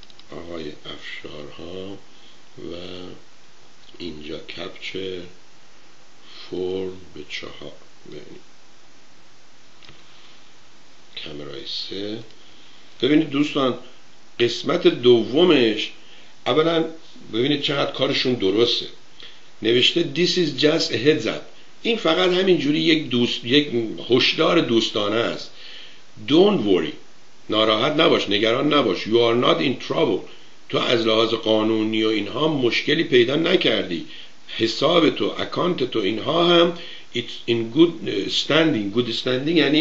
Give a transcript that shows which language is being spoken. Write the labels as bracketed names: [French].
[Persian] آقای افشارها و اینجا کپچه فرم به 4 کامرای 3 ببینید دوستان، قسمت دومش اولا ببینید چقدر کارشون درسته. نوشته [English] This is just a heads up. [Persian] این فقط همین جوری یک هشدار دوستانه است. [English] Don't worry. [Persian] ناراحت نباش، نگران نباش. [English] You are not in trouble. [Persian] تو از لحاظ قانونی و اینها مشکلی پیدا نکردی. حساب تو، اکانت تو، اینها هم [English] it's in good standing.